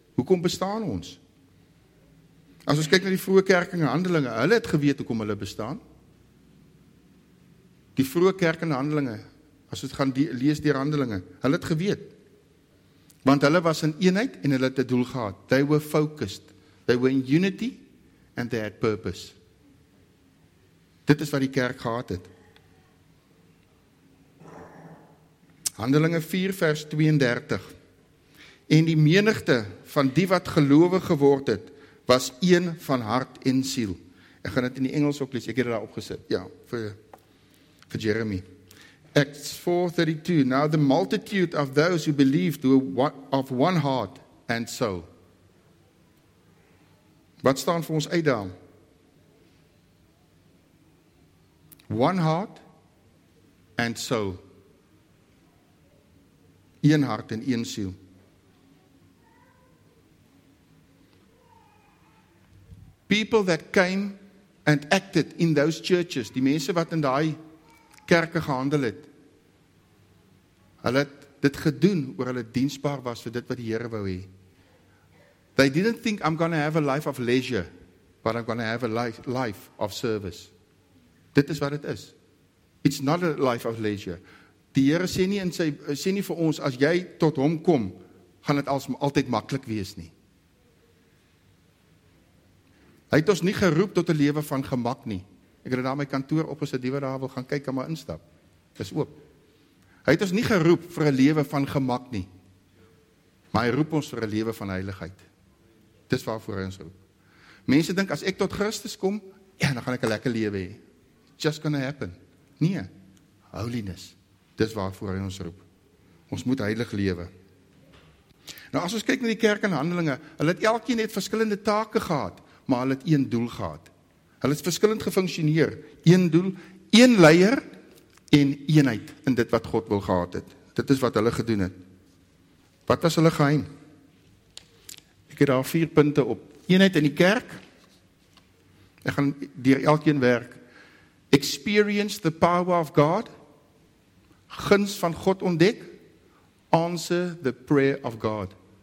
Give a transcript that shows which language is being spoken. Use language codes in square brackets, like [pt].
[af] Hoekom bestaan ons? As ons kyk na die vroeë kerk en Handelinge, hulle het geweet hoekom hulle bestaan. Die vroeë kerk en Handelinge, As ons gaan lees die Handelinge. Hulle het geweet. Want hulle was in eenheid en hulle het 'n doel gehad. [en] They were focused. They were in unity and they had purpose. [af] Dit is wat die kerk gehad het. Handelinge 4 vers 32. En die menigte van die wat gelowig geword het, was een van hart en siel. Ek gaan dit in die Engels ook lees. Ek het dit daar opgesit. Ja, vir Jeremy. Acts 4:32. [en] Now the multitude of those who believed were of one heart and soul. [af] Wat staan vir ons uit daar? [en] One heart and soul. [af] Een hart en een siel. [en] People that came and acted in those churches, [af] die mense wat in daai kerke gehandel het, hulle het dit gedoen oor hulle diensbaar was vir dit wat die Here wou hê. [en] They didn't think I'm going to have a life of leisure, but I'm going to have a life of service. [af] Dit is wat dit is. [en] It's not a life of leisure. [af] Die Here sê nie in sy sê nie vir ons as jy tot hom kom, gaan dit altyd maklik wees nie. Hy het ons nie geroep tot 'n lewe van gemak nie. Ek het daar my kantoor opgesit, die wat daar wil gaan kyk kan maar instap. Dis oop. Hy het ons nie geroep vir 'n lewe van gemak nie. Maar hy roep ons vir 'n lewe van heiligheid. Dis waarvoor hy ons roep. Mense dink as ek tot Christus kom, ja, dan gaan ek 'n lekker lewe hê. [en] Just gonna happen. [af] Nee. Holiness. Dis waarvoor hy ons roep. Ons moet heilig lewe. Nou as ons kyk na die kerk in Handelinge, hulle het elkeen net verskillende take gehad. Maar hulle het een doel gehad. Hulle het verskillend gefunksioneer. Een doel, een leier en eenheid in dit wat God wil gehad het. Dit is wat hulle gedoen het. Wat was hulle geheim? Ek het daar vier punte op. Eenheid in die kerk. Ek gaan deur elkeen werk. [en] Experience the power of God. [af] Guns van God ontdek. [en] Answer the prayer of God.